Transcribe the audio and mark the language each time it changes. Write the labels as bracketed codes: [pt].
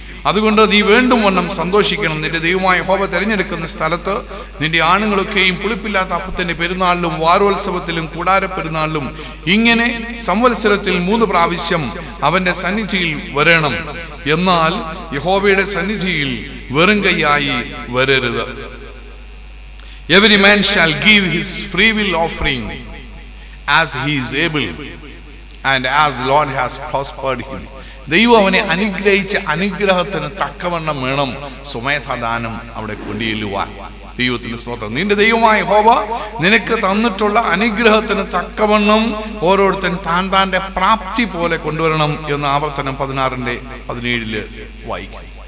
[ml] അതുകൊണ്ട് നീ വീണ്ടും വണ്ണം സന്തോഷിക്കണം. നിന്റെ ദൈവമായ യഹോവ തിരഞ്ഞെടുക്കുന്ന സ്ഥലത്ത് നിന്റെ ആണുങ്ങളൊക്കെയും പുളിപ്പില്ലാത്ത അപ്പത്തിന്റെ പെരുന്നാളിലും വാരോത്സവത്തിലും കൂടാരപ്പെരുന്നാളിലും ഇങ്ങനെ സംവത്സരത്തിൽ 3 പ്രാവശ്യം അവന്റെ സന്നിധിയിൽ വരണം. എന്നാൽ യഹോവയുടെ സന്നിധിയിൽ വെറും കൈയായി വരരുത്. [en] Every man shall give his free will offering as he is able and as Lord has prospered him. [ml] ദൈവം അവനെ അനുഗ്രഹിച്ച അനുഗ്രഹത്തിന് തക്കവണ്ണം വേണം സ്വമേധാദാനം അവിടെ കൊണ്ടുചെല്ലുവാൻ. ദൈവത്തിന് സ്തോത്രം. നിന്റെ ദൈവമായ യഹോവ നിനക്ക് തന്നിട്ടുള്ള അനുഗ്രഹത്തിന് തക്കവണ്ണം ഓരോരുത്തൻ താൻ താന്റെ പ്രാപ്തി പോലെ കൊണ്ടുവരണം എന്ന് ആവർത്തനം 16:17 വായിക്കും.